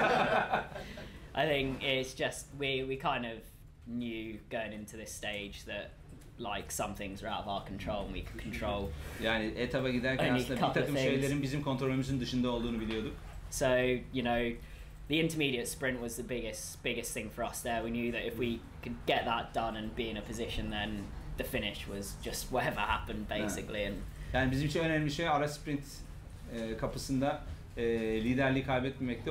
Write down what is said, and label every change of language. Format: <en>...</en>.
<en>No. I think it's just we kind of knew going into this stage that like some things were out of our control and we could control.</en> <tr>Yani etaba giderken aslında bir takım şeylerin bizim kontrolümüzün dışında olduğunu biliyorduk.</tr> <en>So, you know, the intermediate sprint was the biggest thing for us there. We knew that if we could get that done and be in a position, then the finish was just whatever happened basically. Yeah. And</en> <tr>yani bizim için önemli şey ara sprint kapısında liderliği kaybetmemekti.</tr>